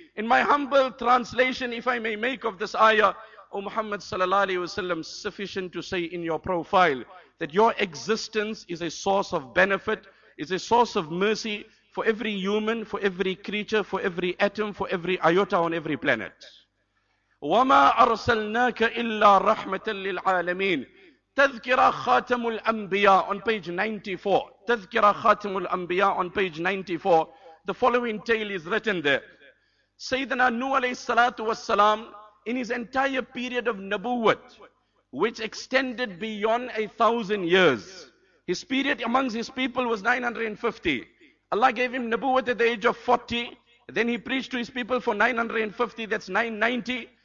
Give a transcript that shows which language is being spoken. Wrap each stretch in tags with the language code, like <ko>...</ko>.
<en>In my humble translation, if I may make of this ayah, O Muhammad sallallahu alayhi wa sallam, sufficient to say in your profile that your existence is a source of benefit, is a source of mercy for every human, for every creature, for every atom, for every iota on every planet.</en> <ar>وَمَا أَرْسَلْنَاكَ إِلَّا رَحْمَةً لِلْعَالَمِينَ.</ar> <en>تَذْكِرَ خَاتَمُ الْأَنْبِيَا on page 94. تَذْكِرَ خَاتَمُ الْأَنْبِيَا on page 94. The following tale is written there. Sayyidina Nuh alayhi salatu wasalam, in his entire period of nabuwat, which extended beyond 1,000 years, his period amongst his people was 950. Allah gave him nabuwat at the age of 40. Then he preached to his people for 950, that's 990.</en>